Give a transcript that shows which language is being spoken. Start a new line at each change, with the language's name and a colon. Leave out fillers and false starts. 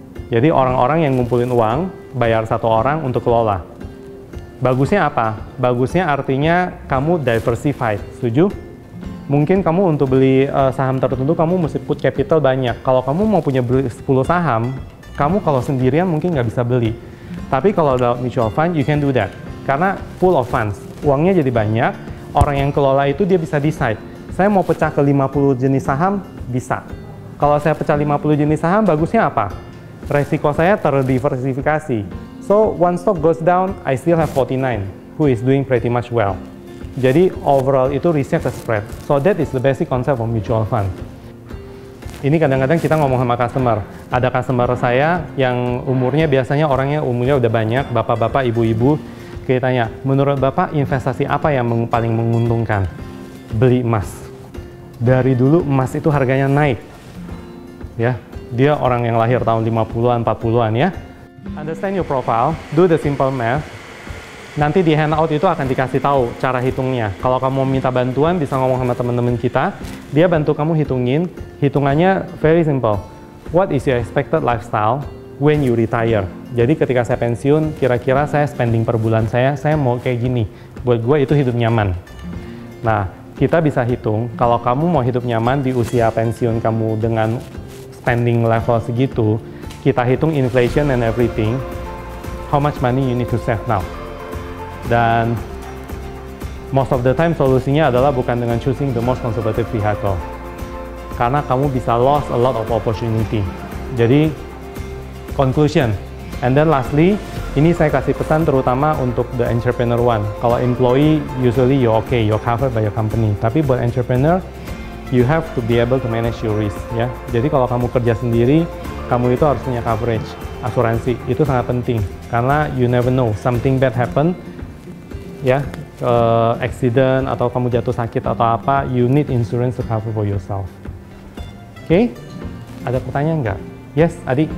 Indonesian: Jadi orang-orang yang ngumpulin uang, bayar satu orang untuk kelola. Bagusnya apa? Bagusnya artinya kamu diversified, setuju? Mungkin kamu untuk beli saham tertentu, kamu mesti put capital banyak. Kalau kamu mau punya 10 saham, kamu kalau sendirian mungkin nggak bisa beli. Tapi kalau ada mutual fund,
English: you can do that.
Indonesian: Karena full of funds, uangnya jadi banyak, orang yang kelola itu dia bisa decide. Saya mau pecah ke 50 jenis saham, bisa. Kalau saya pecah 50 jenis saham, bagusnya apa? Resiko saya terdiversifikasi.
English: So, one stock goes down, I still have 49, who is doing pretty much well.
Indonesian: Jadi, overall itu risknya ke spread.
English: So, that is the basic concept of mutual fund.
Indonesian: Ini kadang-kadang kita ngomong sama customer. Ada customer saya yang umurnya, biasanya orangnya umurnya udah banyak, bapak-bapak, ibu-ibu. Kita tanya, menurut bapak investasi apa yang paling menguntungkan? Beli emas. Dari dulu emas itu harganya naik. Ya, dia orang yang lahir tahun 50-an, 40-an ya.
English: Understand your profile, do the simple math.
Indonesian: Nanti di handout itu akan dikasih tahu cara hitungnya. Kalau kamu minta bantuan, bisa ngomong sama teman-teman kita. Dia bantu kamu hitungin. Hitungannya very simple.
English: What is your expected lifestyle when you retire?
Indonesian: Jadi ketika saya pensiun, kira-kira saya spending per bulan saya mau kayak gini. Buat gue itu hidup nyaman. Nah, kita bisa hitung, kalau kamu mau hidup nyaman di usia pensiun kamu dengan spending level segitu, kita hitung
English: inflation and everything, how much money you need to save now. Dan most of the time
Indonesian: solusinya adalah bukan dengan
English: choosing the most conservative vehicle.
Indonesian: Karena kamu bisa
English: lost a lot of opportunity.
Indonesian: Jadi, conclusion.
English: And then lastly,
Indonesian: ini saya kasih pesan terutama untuk the entrepreneur one.
English: Kalau employee, usually you're okay, you're covered by your company.
Indonesian: Tapi buat
English: entrepreneur, you have to be able to manage your risk.
Indonesian: Ya. Jadi kalau kamu kerja sendiri, kamu itu harus punya coverage, asuransi. Itu sangat penting. Karena
English: you never know, something bad happen, ya, accident, atau
Indonesian: kamu jatuh sakit atau apa,
English: you need insurance to cover for yourself. Oke?
Indonesian: Okay? Ada pertanyaan nggak? Yes, Adi.